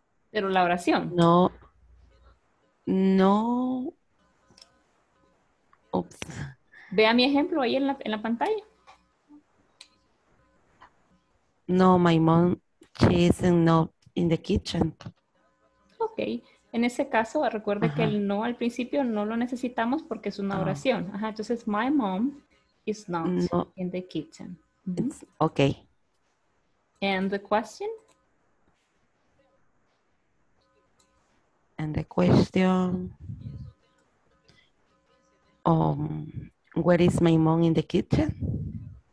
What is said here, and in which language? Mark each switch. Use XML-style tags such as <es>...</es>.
<es>Pero la oración. No. No. Ups. Vea mi ejemplo ahí en la pantalla.</es> <en>No, my mom, she isn't not in the kitchen. Ok.</en> <es>En ese caso, recuerde que el no al principio no lo necesitamos porque es una oración. Ajá. Entonces,</es> <en>my mom is not in the kitchen. Mm-hmm. Ok. And the question? And the question, where is my mom in the kitchen?</en>